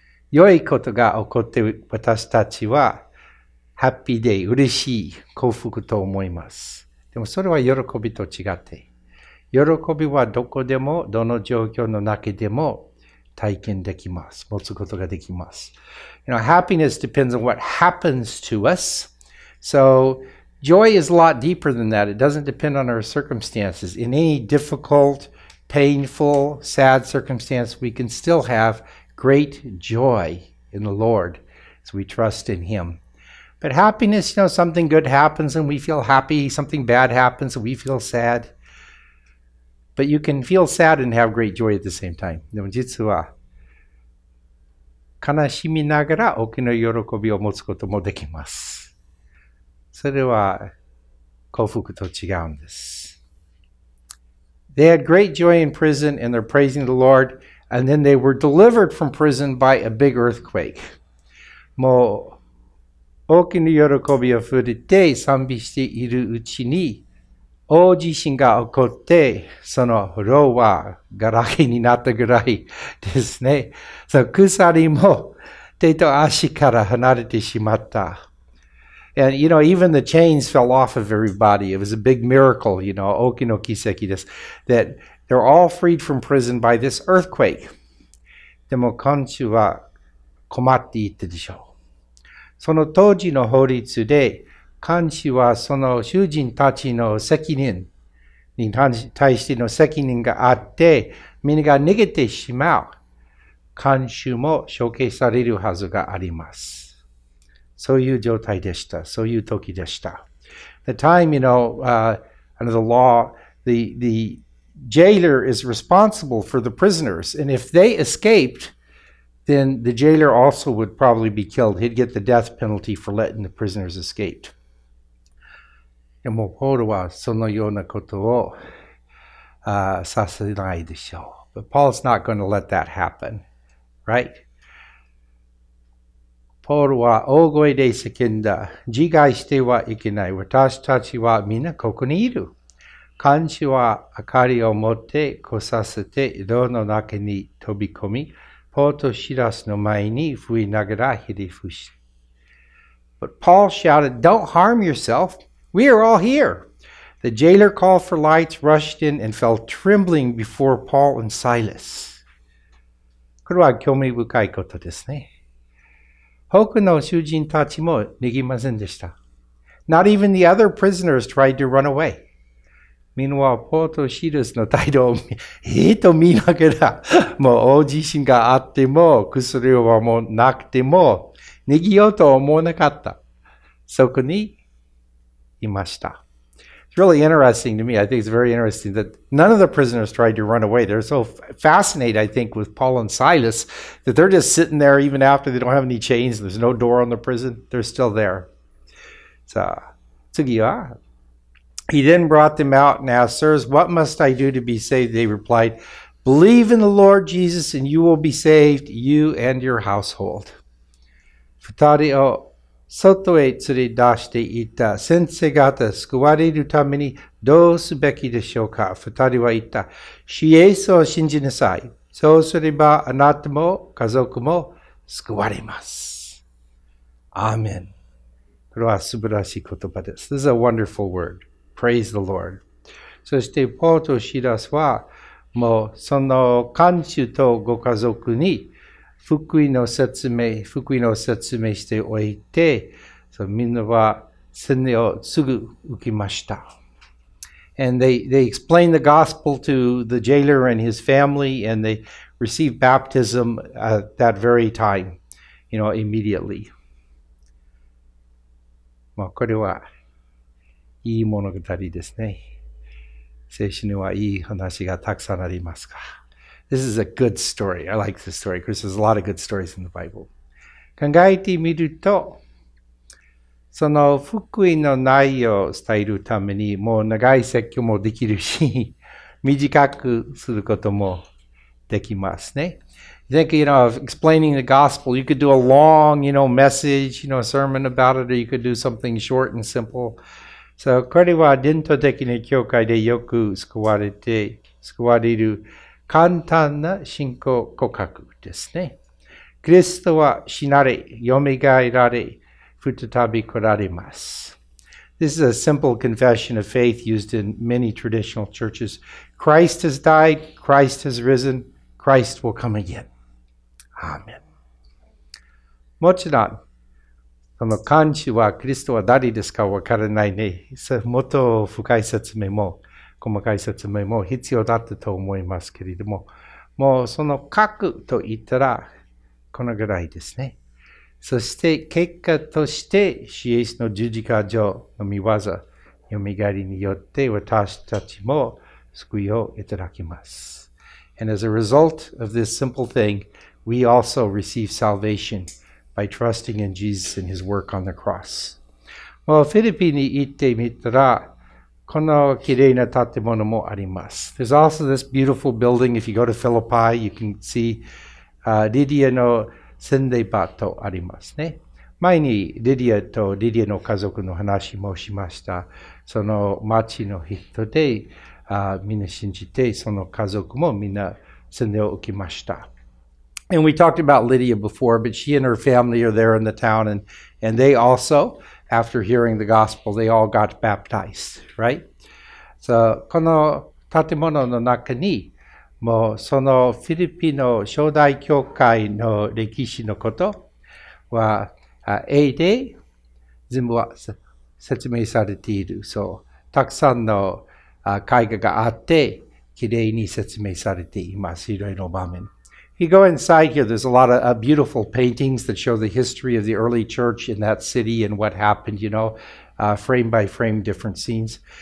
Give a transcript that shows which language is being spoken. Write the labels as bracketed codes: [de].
[ja] 良いことが起こって私たちはハッピーで嬉しい幸福と思います。でもそれは喜びと違って。喜びはどこでも、どの状況の中でも体験できます。持つことができます。 [en] You know, happiness depends on what happens to us. So, joy is a lot deeper than that. It doesn't depend on our circumstances. In any difficult, painful, sad circumstance, we can still have great joy in the Lord as we trust in Him. But happiness, you know, something good happens and we feel happy, something bad happens and we feel sad. But you can feel sad and have great joy at the same time. [ja] でも実は、悲しみながら大きな喜びを持つこともできます。それは幸福と違うんです。 [en] They had great joy in prison and they're praising the Lord, and then they were delivered from prison by a big earthquake. [ja] もう大きな喜びを触れて賛美しているうちに大地震が起こってその牢はガラケになったぐらいですね。その鎖も手と足から離れてしまった。 [en] And you know, even the chains fell off of everybody. It was a big miracle, you know, [ja] oki no kiseki desu, [en] that they're all freed from prison by this earthquake. [ja] でも監視は困っていたでしょう。その当時の法律で、監視はその囚人たちの責任に対しての責任があって、みんなが逃げてしまう。監視も処刑されるはずがあります。そういう状態でした。そういう時でした。 [en] The time, you know, under the law, the jailer is responsible for the prisoners. And if they escaped, then the jailer also would probably be killed. He'd get the death penalty for letting the prisoners escape. [ja] でも、ポールはそのようなことをさせないでしょう。 [en] But Paul's not going to let that happen, right? [ja] ポールは大声で叫んだ。自害してはいけない。私たちはみんなここにいる。監視は明かりを持って来させて、井戸の中に飛び込み、ポートシラスの前に振りながらひれ伏し。 [en] But Paul shouted, "Don't harm yourself. We are all here." The jailer called for lights, rushed in, and fell trembling before Paul and Silas. [ja] これは興味深いことですね。多くの囚人たちも逃げませんでした。 [en] Not even the other prisoners tried to run away. Meanwhile, [ja] ポートシルスの態度を見ながら、もう大地震があっても、薬はもうなくても、逃げようと思わなかった。そこにいました。 [en] It's really interesting to me. I think it's very interesting that none of the prisoners tried to run away. They're so fascinated, I think, with Paul and Silas that they're just sitting there even after they don't have any chains. There's no door on the prison. They're still there. So, [ja] 次は? [en] He then brought them out and asked, "Sirs, what must I do to be saved?" They replied, "Believe in the Lord Jesus and you will be saved, you and your household." [ja] 二人を外へ連れ出していた先生方、救われるためにどうすべきでしょうか。二人は言った。主イエスを信じなさい。そうすればあなたも家族も救われます。アーメン。これは素晴らしい言葉です。 [en] This is a wonderful word. Praise the Lord. [ja] そしてポートシラスはもうその監視とご家族に福音を説明しておいて、そのみんなは洗礼をすぐ受けました。 [en] And they explained the gospel to the jailer and his family, and they received baptism at that very time, you know, immediately. [ja] まあこれはいい物語ですね。聖書にはいい話がたくさんありますか。 [en] This is a good story. I like this story. Chris, there's a lot of good stories in the Bible. [ja] 考えてみると、その福音の内容を伝えるために、もう長い説教もできるし、短くすることもできますね。 [en] I think, you know, of explaining the gospel, you could do a long, you know, message, you know, a sermon about it, or you could do something short and simple. So, [ja] これは伝統的な教会でよく救われる、簡単な信仰告白ですね。キリストは死なれ、蘇られ、再び来られます。 [en] This is a simple confession of faith used in many traditional churches. Christ has died, Christ has risen, Christ will come again. Amen. [ja] もちろん、その監視はキリストは誰ですかわからないね。もっと深い説明も。細かい説明も必要だったと思いますけれども、もうその核と言ったらこのぐらいですね。そして結果として、主イエスの十字架上の御業、よみがえりによって私たちも救いをいただきます。 [en] And as a result of this simple thing, we also receive salvation by trusting in Jesus and his work on the cross. [ja] もうフィリピに行ってみたら、この綺麗な建物もあります。 [en] There's also this beautiful building. If you go to Philippi, you can see [ja] リディアの洗礼場とありますね。前にリディアとリディアの家族の話もしました。その町の人でみんな信じて、その家族もみんな洗礼を受けました。 [en] And we talked about Lydia before, but she and her family are there in the town, and they also after hearing the gospel, they all got baptized, right? So, [ja] この建物の中に、もうそのフィリピの初代教会の歴史のことは、絵で全部は説明されている。そう、たくさんの絵画があって、きれいに説明されています。いろいろ場面。 [en] You go inside here, there's a lot of beautiful paintings that show the history of the early church in that city and what happened, you know, frame by frame, different scenes.